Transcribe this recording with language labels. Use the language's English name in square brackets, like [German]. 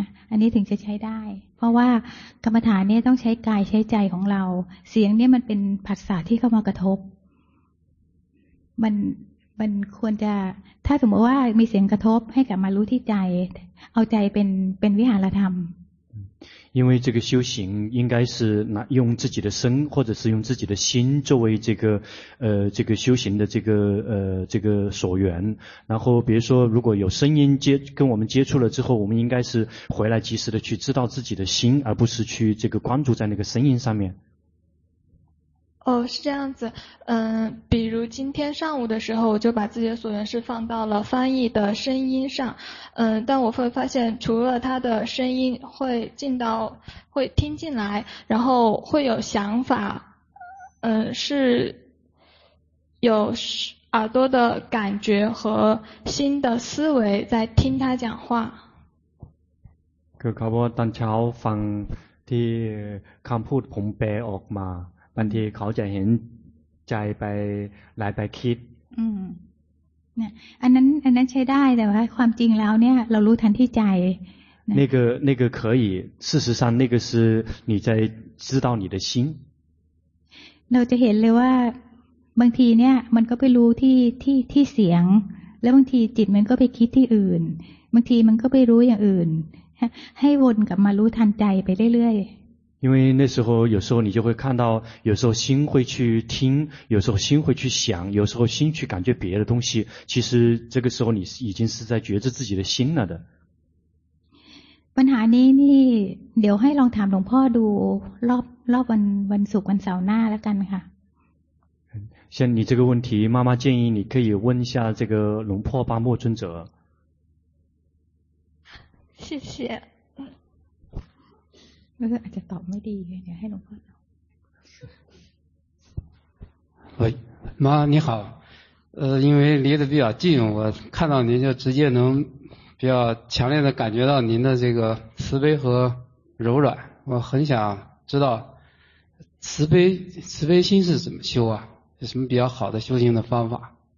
[Thai] อันนี้ถึงจะใช้ได้เพราะว่ากรรมฐานนี้ต้องใช้กายใช้ใจของเราเสียงนี้มันเป็นผัสสะที่เข้ามากระทบมันควรจะถ้าสมมติว่ามีเสียงกระทบให้กลับมารู้ที่ใจเอาใจเป็นวิหารธรรม [Chinese] 因为这个修行应该是拿用自己的身或者是用自己的心作为这个修行的这个所缘，然后比如说如果有声音跟我们接触了之后，我们应该是回来及时的去知道自己的心，而不是去这个关注在那个声音上面。哦，是这样子。比如今天上午的时候，我就把自己的所缘是放到了翻译的声音上。但我会发现，除了他的声音会听进来，然后会有想法，是有耳朵的感觉和心的思维在听他讲话。 [Thai] คือเขาบอกตอนเช้าฟังที่คำพูดผมแปลออกมาบางทีเขาจะเห็นใจไปไหลไปคิด อันนั้นใช้ได้แต่ว่าความจริงแล้วเนี่ยเรารู้ทันที่ใจ [Chinese] 那个可以事实上那个是你在知道你的心 [Thai] เราจะเห็นเลยว่าบางทีเนี่ยมันก็ไปรู้ที่เสียงแล้วบางทีจิตมันก็ไปคิดที่อื่นบางทีมันก็ไปรู้อย่างอื่นให้วนกลับมารู้ทันใจไปเรื่อยๆ [Chinese] 因为那时候有时候你就会看到有时候心会去听有时候心会去想有时候心去感觉别的东西其实这个时候你已经是在觉知自己的心了的 [Thai] ปัญหานี้นี่เดี๋ยวให้ลองถามหลวงพ่อดูรอบวันศุกร์วันเสาร์หน้าแล้วกันค่ะ [Chinese] 像你这个问题妈妈建议你可以问一下这个龙破巴莫尊者谢谢 [Thai] อาจจะตอบไม่ดีเดี๋ยวให้หลวงพ่อต อบเฮ้ยมา [Chinese] 你好因为离得比较近我看到您就直接能比较强烈的感觉到您的这个慈悲和柔软我很想知道慈悲心是怎么修啊有什么比较好的修行的方法